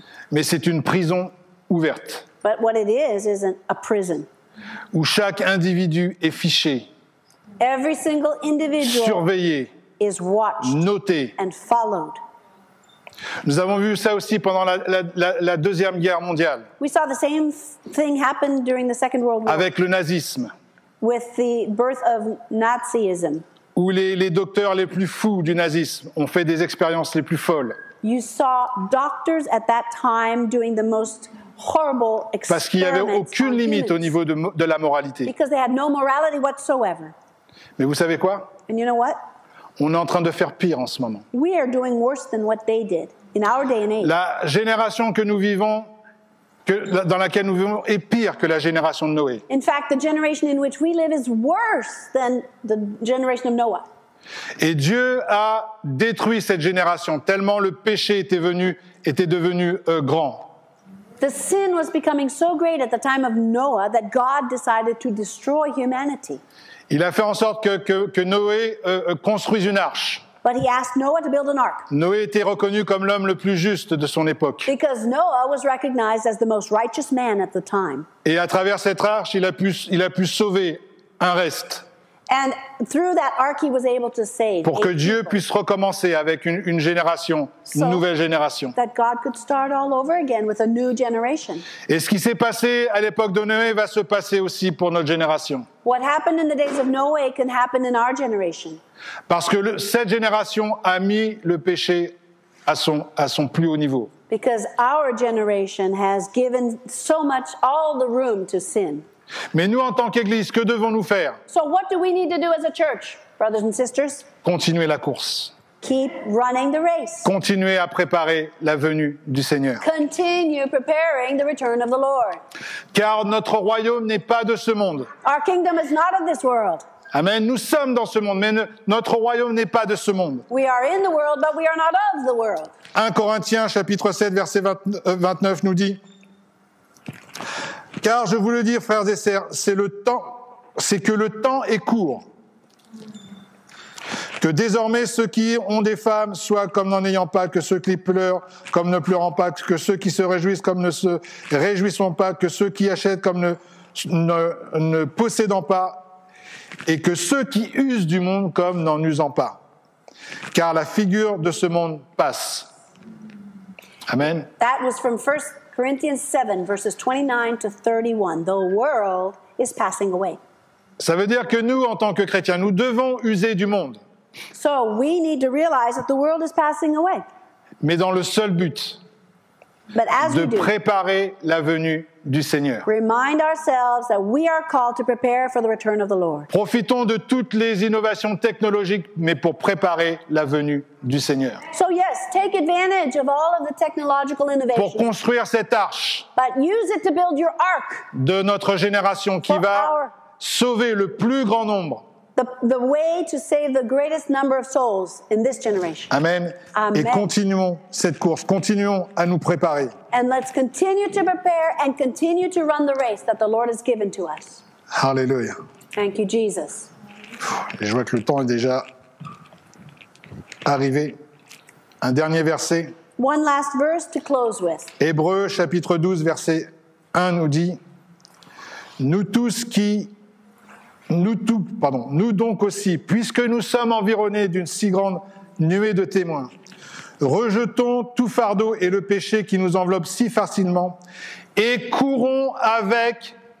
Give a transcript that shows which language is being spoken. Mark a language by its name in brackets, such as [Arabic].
[French] Mais c'est une prison ouverte. [English] But what it is a prison. [French] Où chaque individu est fiché. [English] Every single individual [French] surveillé, [English] is watched, [French] noté, [English] and followed. [French] Nous avons vu ça aussi pendant la Deuxième Guerre mondiale. [English] We saw the same thing happen during the Second World War. [French] Avec le nazisme. [English] With the birth of Nazism. [French] Où les docteurs les plus fous du nazisme ont fait des expériences les plus folles. [English] You saw doctors at that time doing the most horrible experiments. [French] Parce qu'il n'y avait aucune limite au niveau de la moralité. [English] Because they had no morality whatsoever. [French] Mais vous savez quoi? [English] And you know what? [French] On est en train de faire pire en ce moment. [English] We are doing worse than what they did in our day and age. [French] La génération que nous vivons, dans laquelle nous vivons, est pire que la génération de Noé. [English] In fact, the generation in which we live is worse than the generation of Noah. [French] Et Dieu a détruit cette génération tellement le péché était devenu grand. [English] The sin was becoming so great at the time of Noah that God decided to destroy humanity. [French] Il a fait en sorte que Noé construise une arche. [English] But he asked Noah to build an ark. [French] Noé était reconnu comme l'homme le plus juste de son époque. [English] Because Noah was recognized as the most righteous man at the time. [French] Et à travers cette arche, il a pu sauver un reste. [English] And through that ark, he was able to save. [French] Pour que Dieu puisse recommencer avec une génération, une nouvelle génération. [English] That God could start all over again with a new generation. [French] Et ce qui s'est passé à l'époque de Noé va se passer aussi pour notre génération. [English] What happened in the days of Noah can happen in our generation. [French] Parce que cette génération a mis le péché à son plus haut niveau. [English] Because our generation has given so much all the room to sin. [French] Mais nous, en tant qu'Église, que devons-nous faire? [English] So what do we need to do as a church, brothers and sisters? [French] Continuer la course. [English] Keep running the race. [French] Continuer à préparer la venue du Seigneur. [English] Continue preparing the return of the Lord. [French] Car notre royaume n'est pas de ce monde. [English] Our kingdom is not of this world. Amen. [French] Nous sommes dans ce monde, mais notre royaume n'est pas de ce monde. [English] We are in the world, but we are not of the world. [French] 1 Corinthiens, chapitre 7, verset 29 nous dit... Car je vous le dis, frères et sœurs, c'est que le temps est court. Que désormais ceux qui ont des femmes soient comme n'en ayant pas, que ceux qui pleurent comme ne pleurant pas, que ceux qui se réjouissent comme ne se réjouissant pas, que ceux qui achètent comme ne possédant pas, et que ceux qui usent du monde comme n'en usant pas. Car la figure de ce monde passe. Amen. [English] That was from 1 Corinthians 7, verses 29 to 31. The world is passing away. [French] Ça veut dire que nous, en tant que chrétiens, nous devons user du monde. [English] So we need to realize that the world is passing away. [French] Mais dans le seul but de préparer la venue du Seigneur. [English] Remind ourselves that we are called to prepare for the return of the Lord. [French] Profitons de toutes les innovations technologiques, mais pour préparer la venue du Seigneur. [English] So yes, take advantage of all of the technological innovations. [French] Pour construire cette arche. [English] But use it to build your ark. [French] De notre génération qui va sauver le plus grand nombre. [English] The way to save the greatest number of souls in this generation. Amen. Amen. [French] Et continuons cette course. Continuons à nous préparer. [English] And let's continue to prepare and continue to run the race that the Lord has given to us. Hallelujah. Thank you, Jesus. [French] Et je vois que le temps est déjà arrivé. Un dernier verset. [English] One last verse to close with. [French] Hébreux, chapitre 12, verset 1 nous dit, nous donc aussi, puisque nous sommes environnés d'une si grande nuée de témoins, rejetons tout fardeau et le péché qui nous enveloppe si facilement et courons avec